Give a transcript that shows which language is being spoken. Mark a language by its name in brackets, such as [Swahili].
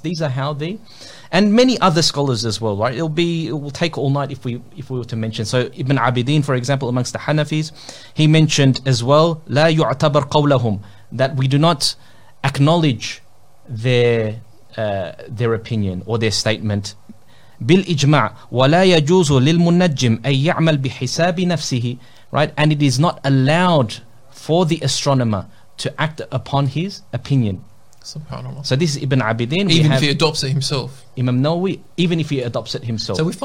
[English] These are how they, and many other scholars as well, right? It will take all night if we were to mention. So Ibn Abidin, for example, amongst the Hanafis, he mentioned as well, [Arabic] لا يعتبر قولهم, [English] that we do not acknowledge their opinion or their statement. [Arabic] بالإجماع ولا يجوز للمنجم أن يعمل بحساب نفسه, [English] right? And it is not allowed for the astronomer to act upon his opinion. SubhanAllah. So this is Ibn Abidin. Even if he adopts it himself. Imam Nawawi, even if he adopts it himself.